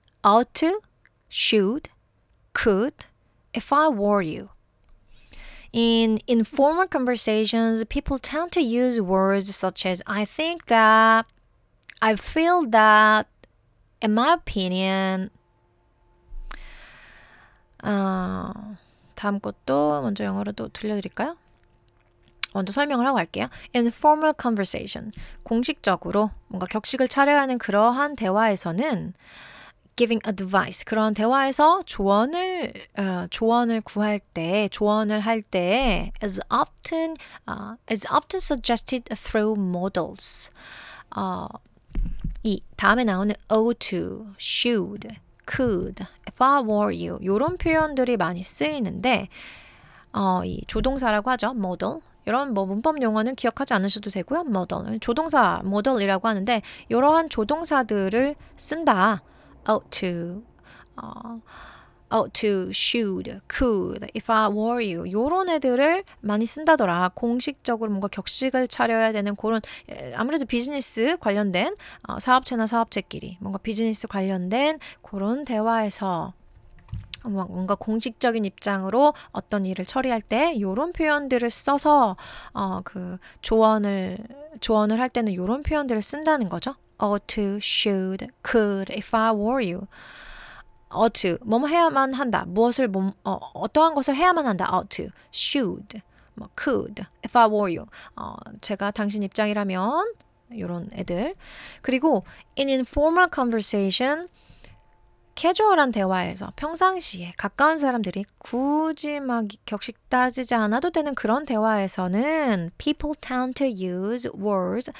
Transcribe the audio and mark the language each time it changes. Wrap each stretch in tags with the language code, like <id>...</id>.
<en>Ought to, should, could, if I were you. In informal conversations, people tend to use words such as I think that, I feel that, in my opinion.</en> <ko>다음 것도 먼저 영어로도 들려드릴까요? 먼저 설명을 하고 갈게요.</ko> <en>Informal conversation.</en> <ko>공식적으로 뭔가 격식을 차려야 하는 그러한 대화에서는</ko> <en>giving advice.</en> <ko>그런 대화에서 조언을 구할 때, 조언을 할 때</ko> <en>as often suggested through models.</en> <ko>이 다음에 나오는</ko> <en>ought to, should, could, if I were you.</en> <ko>이런 표현들이 많이 쓰이는데 이 조동사라고 하죠.</ko> <en>model.</en> <ko>이런 뭐 문법 용어는 기억하지 않으셔도 되고요.</ko> <en>model.</en> <ko>조동사, model이라고 하는데 이러한 조동사들을 쓴다.</ko> <en>ought to, should, could, if I were you.</en> <ko>요런 애들을 많이 쓴다더라. 공식적으로 뭔가 격식을 차려야 되는 그런 아무래도 비즈니스 관련된 사업체나 사업체끼리 뭔가 비즈니스 관련된 그런 대화에서 뭔가 공식적인 입장으로 어떤 일을 처리할 때 요런 표현들을 써서 조언을 할 때는 요런 표현들을 쓴다는 거죠.</ko> <en>Ought to, should, could, if I were you. Ought to,</en> <ko>뭐뭐 해야만 한다. 무엇을, 어떠한 것을 해야만 한다.</ko> <en>Ought to, should, could, if I were you.</en> <ko>제가 당신 입장이라면 요런 애들. 그리고</ko> <en>in informal conversation,</en> <ko>캐주얼한 대화에서 평상시에 가까운 사람들이 굳이 막 격식 따지지 않아도 되는 그런 대화에서는</ko> <en>people tend to use words.</en>